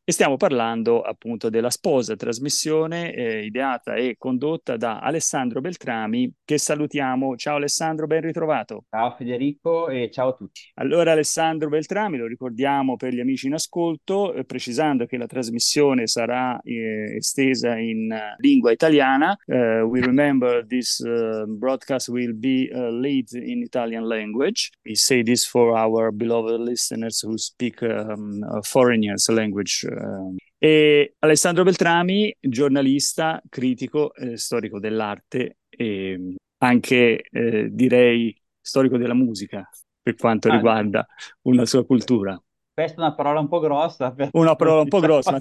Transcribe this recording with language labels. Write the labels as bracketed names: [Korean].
[Italian] E stiamo parlando appunto della Sposa, trasmissione ideata e condotta da Alessandro Beltrami, che salutiamo. Ciao Alessandro, ben ritrovato. Ciao Federico e ciao a tutti. Allora, Alessandro Beltrami, lo ricordiamo per gli amici in ascolto, precisando che la trasmissione sarà estesa in lingua italiana. [English] We remember this broadcast will be late in Italian language. We say this for our beloved listeners who speak foreigners' language. [Italian] E Alessandro Beltrami, giornalista, critico, storico dell'arte e anche, direi, storico della musica. Per quanto Ah, questa riguarda una sua cultura. è una parola un po' grossa, però Una parola un po' grossa, ma